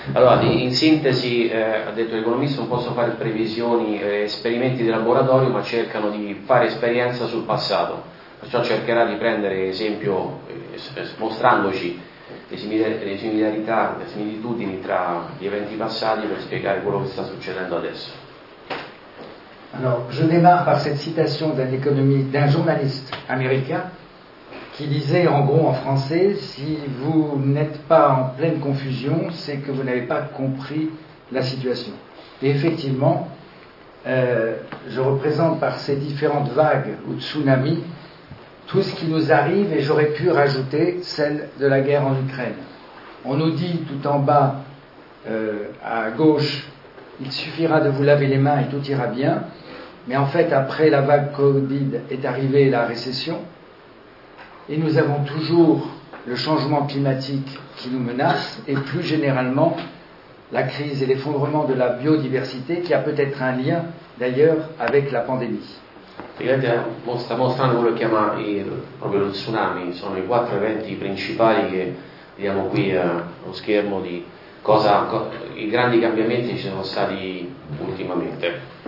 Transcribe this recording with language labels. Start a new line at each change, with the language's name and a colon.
Italian: Allora, in sintesi, ha detto l'economista, non posso fare previsioni, esperimenti di laboratorio, ma cercano di fare esperienza sul passato. Perciò cercherà di prendere esempio, mostrandoci le similarità, le similitudini tra gli eventi passati per spiegare quello che sta succedendo adesso.
French: Alors, je démarre par cette citation d'un économiste, d'un journaliste américain qui disait en gros en français, si vous n'êtes pas en pleine confusion, c'est que vous n'avez pas compris la situation. Et effectivement, je représente par ces différentes vagues ou tsunamis tout ce qui nous arrive et j'aurais pu rajouter celle de la guerre en Ukraine. On nous dit tout en bas, à gauche, il suffira de vous laver les mains et tout ira bien. Mais en fait, après la vague Covid est arrivée la récession. Et nous avons toujours le changement climatique qui nous menace. Et plus généralement, la crise et l'effondrement de la biodiversité qui a peut-être un lien d'ailleurs avec la pandémie.
Italian: Regardez, sta mostrando quello che chiama proprio lo tsunami. Sono i quattro eventi principali che vediamo qui allo schermo di cosa i grandi cambiamenti ci sono stati ultimamente.